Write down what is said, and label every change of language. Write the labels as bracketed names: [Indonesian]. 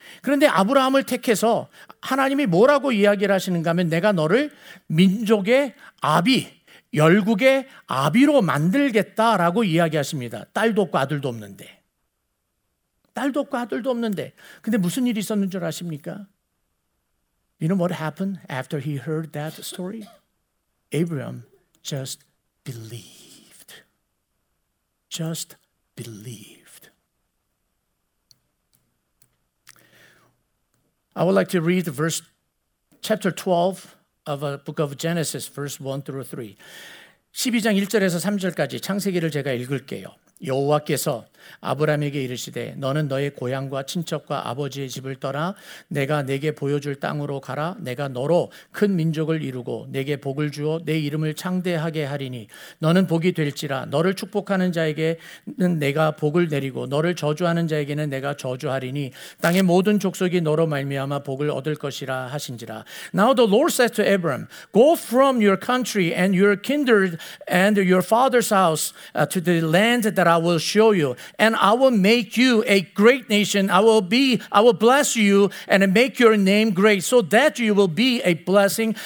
[Korean] 그런데 아브라함을 택해서 하나님이 뭐라고 이야기를 하시는가 하면 내가 너를 민족의 아비, 열국의 아비로 만들겠다라고 이야기하십니다. 딸도 없고 아들도 없는데. 딸도 없고 아들도 없는데. 근데 무슨 일이 있었는 줄 아십니까? [English] You know what happened after he heard that story? Abraham just believed. Just believed. I would like to read verse, chapter 12 of a book of Genesis, verse 1 through 3. [Korean] 12장 1절에서 3절까지 창세기를 제가 읽을게요. 여호와께서 아브라함에게 이르시되 너는 너의 고향과 친척과 아버지의 집을 떠나 내가 네게 보여줄 땅으로 가라. 내가 너로 큰 민족을 이루고 네게 복을 주어 네 이름을 창대하게 하리니 너는 복이 될지라. 너를 축복하는 자에게는 내가 복을 내리고 너를 저주하는 자에게는 내가 저주하리니 땅의 모든 족속이 너로 말미암아 복을 얻을 것이라 하신지라. [English] Now the Lord said to Abram, Go from your country and your kindred and your father's house to the land that I will show you. And I will make you a great nation. I will bless you and make your name great so that you will be a blessing.